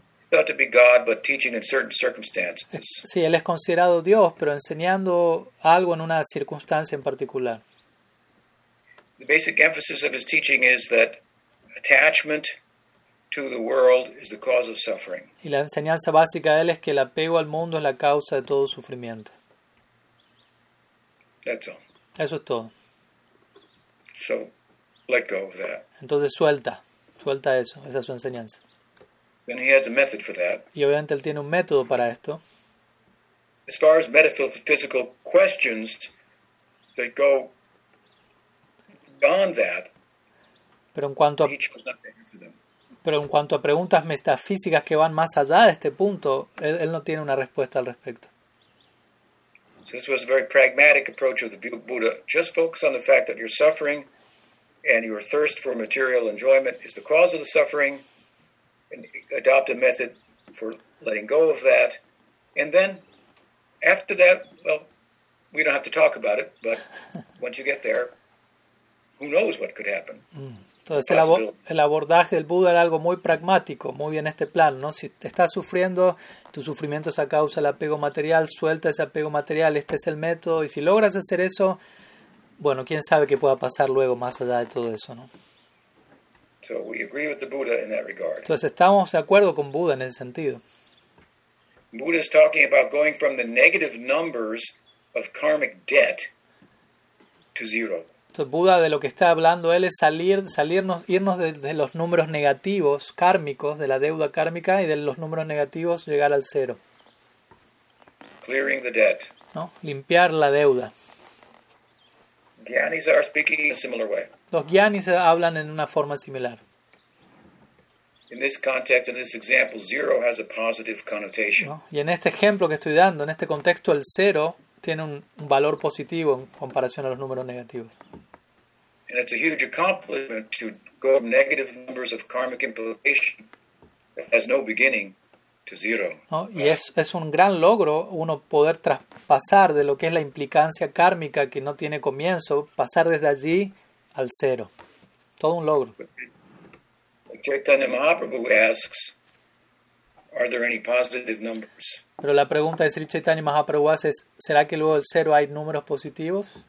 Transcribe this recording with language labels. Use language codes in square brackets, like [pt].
[en] thought to be God, but teaching in certain circumstances. [es] Sí, él es considerado Dios, pero enseñando algo en una circunstancia en particular. [en] The basic emphasis of his teaching is that attachment to the world is the cause of suffering. [es] Y la enseñanza básica de él es que el apego al mundo es la causa de todo sufrimiento. [en] That's all. [es] Eso es todo. [en] So, let go of that. [es] Entonces suelta. Suelta eso, esa es su enseñanza. [en] Then he has a method for that. [es] Y obviamente él tiene un método para esto. [en] As far as metaphysical questions that go beyond that, [es] pero en cuanto a preguntas metafísicas que van más allá de este punto, él no tiene una respuesta al respecto. [en] So this was a very pragmatic approach of the Buddha. Just focus on the fact that you're suffering. And your thirst for material enjoyment is the cause of the suffering. And adopt a method for letting go of that. And then, after that, well, we don't have to talk about it. But once you get there, who knows what could happen. [es] Entonces, el abordaje del Buda era algo muy pragmático, muy en este plan, ¿no? Si te estás sufriendo, tu sufrimiento es a causa del apego material, suelta ese apego material, este es el método. Y si logras hacer eso, bueno, quién sabe qué pueda pasar luego más allá de todo eso, ¿no? [en] So we agree with the Buddha in that regard. [es] Entonces estamos de acuerdo con Buda en ese sentido. [en] Buddha is talking about going from the negative numbers of karmic debt to zero. [es] Entonces Buda de lo que está hablando él es salirnos, irnos de los números negativos kármicos, de la deuda kármica, y de los números negativos llegar al cero. [en] Clearing the debt. [es] ¿No? Limpiar la deuda. [en] Gyanis are speaking in a similar way. [es] Los gyanis hablan en una forma similar. [en] In this context, in this example, zero has a positive connotation. [es] Y en este ejemplo que estoy dando, en este contexto, el cero tiene un valor positivo en comparación a los números negativos. [en] And it's a huge accomplishment to go from negative numbers of karmic implication that has no beginning to zero. [es] ¿No? Y es un gran logro uno poder traspasar de lo que es la implicancia kármica que no tiene comienzo, pasar desde allí al cero. Todo un logro. [en] Chaitanya Mahaprabhu asks, are there any positive numbers? [es] Pero la pregunta de Sri Chaitanya Mahaprabhu hace es, ¿será que luego del cero hay números positivos?